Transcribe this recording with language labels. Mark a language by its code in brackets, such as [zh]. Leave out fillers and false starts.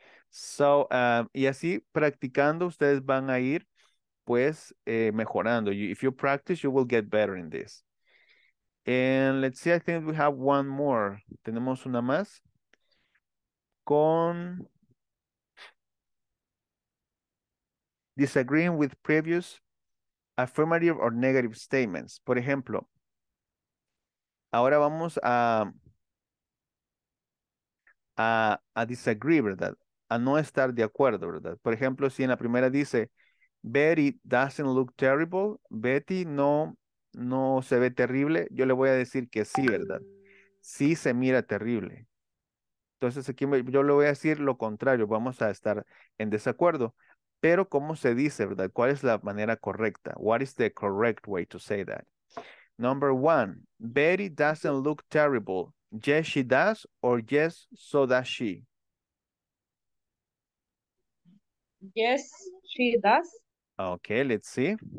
[es] So, y así practicando, ustedes van a ir, pues, mejorando. [en] If you practice, you will get better in this. And let's see, I think we have one more. [es] Tenemos una más. Con disagreeing with previous affirmative or negative statements. Por ejemplo, ahora vamos a a disagree, ¿verdad? A no estar de acuerdo, ¿verdad? Por ejemplo, si en la primera dice, [en] Betty doesn't look terrible, [es] Betty no se ve terrible, yo le voy a decir que sí, ¿verdad? Sí se mira terrible. Entonces aquí yo le voy a decir lo contrario, vamos a estar en desacuerdo. Pero ¿cómo se dice, verdad? ¿Cuál es la manera correcta? [en] What is the correct way to say that? Number one, Betty doesn't look terrible. Yes, she does, or yes, so does she. Yes, she does. Okay, let's see.